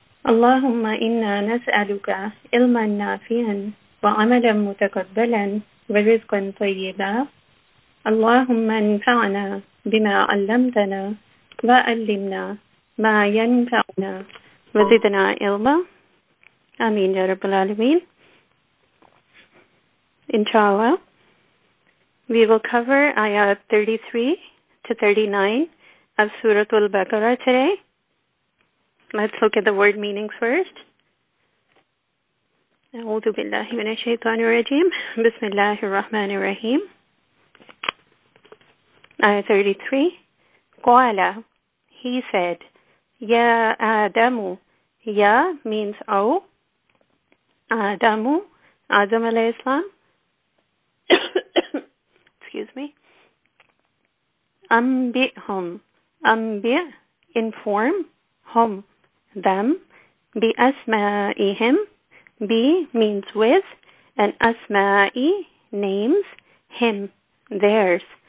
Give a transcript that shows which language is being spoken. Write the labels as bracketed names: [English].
[Arabic] اللهم إنا نسألك علما نافعا وعملا متقبلا ورزقا طيبا اللهم انفعنا بما علمتنا وعلمنا ما ينفعنا وزدنا علما آمين يا رب العالمين. [English] إن شاء الله we will cover ayah 33 to 39 of Surah Al-Baqarah today. Let's look at the word meanings first. [Arabic] أعوذ بالله من الشيطان الرجيم بسم الله الرحمن الرحيم [English] آية 33 قال He said [Arabic] يا آدم [English] يا means O آدم [Arabic] آدم عليه السلام [English] excuse me [Arabic] أنبئهم أنبئ [English] inform هم them بأسمائهم Be means with, and asma'i, names, him, theirs.